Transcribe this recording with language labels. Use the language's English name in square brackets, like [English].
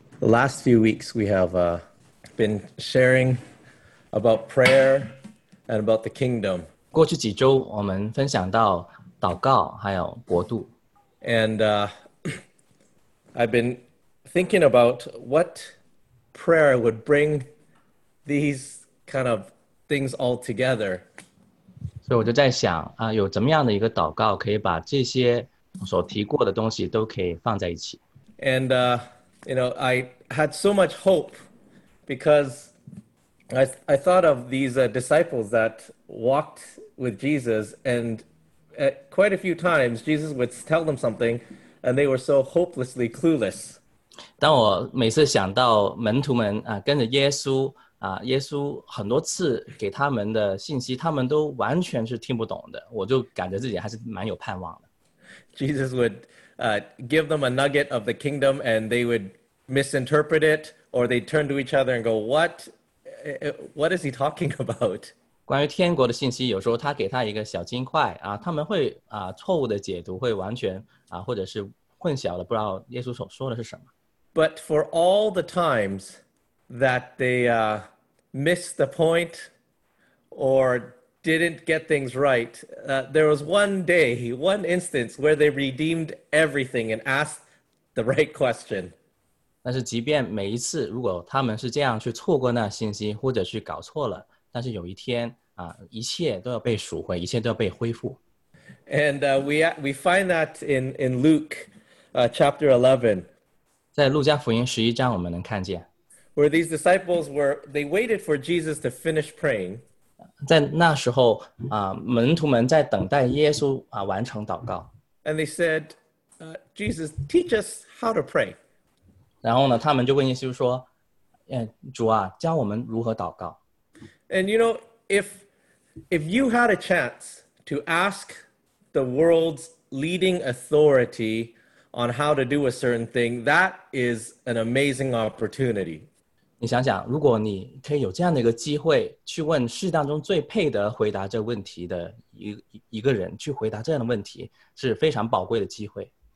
[English] The last few weeks we have been sharing about prayer and about the kingdom. [Chinese] 过去几周, 我们分享到祷告还有国度。 [English] And I've been thinking about what prayer would bring these kind of things all together. [Chinese] 所以我就在想, 啊, 有怎么样的一个祷告可以把这些所提过的东西都可以放在一起。 [English] And you know, I had so much hope because I thought of these disciples that walked with Jesus, and quite a few times Jesus would tell them something and they were so hopelessly clueless. [Chinese] 当我每次想到门徒们跟着耶稣耶稣很多次给他们的信息他们都完全是听不懂的，我就感觉自己还是蛮有盼望的。 [English] Jesus would give them a nugget of the kingdom and they would misinterpret it or they'd turn to each other and go, what is he talking about? [Chinese] 关于天国的信息，有时候他给他一个小金块他们会错误的解读，会完全或者是混淆了，不知道耶稣所说的是什么。 [English] But for all the times that they missed the point or didn't get things right, there was one instance where they redeemed everything and asked the right question. [Chinese] 但是即便每一次如果他们是这样去错过那信息或者去搞错了，但是有一天一切都要被赎回，一切都要被恢复。 [English] And we find that in Luke chapter 11. [Chinese] 在路加福音十一章我们能看见 [English] where these disciples were, they waited for Jesus to finish praying. [Chinese] 在那时候门徒们在等待耶稣完成祷告。 [English] And they said, Jesus, teach us how to pray. [Chinese] 然后呢他们就问耶稣说主啊教我们如何祷告。 [English] And you know, if you had a chance to ask the world's leading authorityon how to do a certain thing, that is an amazing opportunity. [Chinese] 你想想，如果你可以有这样的一个机会去问世当中最配得回答这问题的一个人，去回答这样的问题，是非常宝贵的机会。